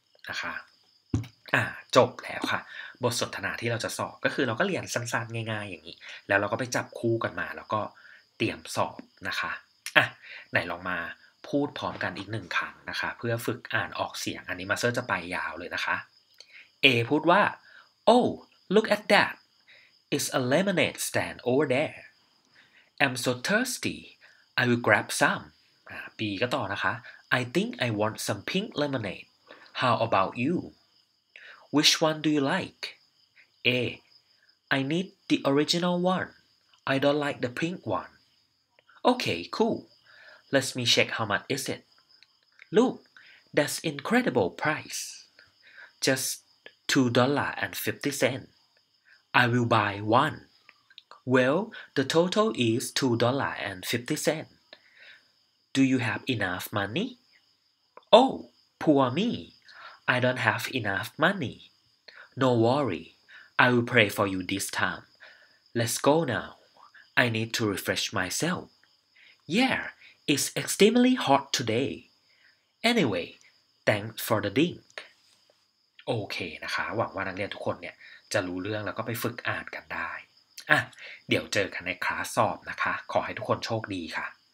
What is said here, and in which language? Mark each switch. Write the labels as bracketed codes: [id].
[th] นะคะจบแล้วค่ะบทสนทนาที่เราจะสอบก็คือเราก็เรียนสั้นๆง่ายๆอย่างนี้แล้วเราก็ไปจับคู่กันมาแล้วก็เตรียมสอบนะคะไหนลองมาพูดพร้อมกันอีกหนึ่งครั้งนะคะเพื่อฝึกอ่านออกเสียงอันนี้มาสเตอร์จะไปยาวเลยนะคะ A พูดว่า [en] Oh, look at that. It's a lemonade stand over there. I'm so thirsty. I will grab some. B [th] ก็ต่อนะคะ [en] I think I want some pink lemonade. How about you? Which one do you like? A. I need the original one. I don't like the pink one. Okay, cool. Let me check how much is it. Look, that's incredible price. Just $2.50. I will buy one. Well, the total is $2.50. Do you have enough money? Oh, poor me. I don't have enough money. No worry. I will pray for you this time. Let's go now. I need to refresh myself. Yeah, it's extremely hot today. Anyway, thanks for the drink. [th] โอเคนะคะหวังว่านักเรียนทุกคนเนี่ยจะรู้เรื่องแล้วก็ไปฝึกอ่านกันได้เดี๋ยวเจอกันในคลาสสอบนะคะขอให้ทุกคนโชคดีค่ะ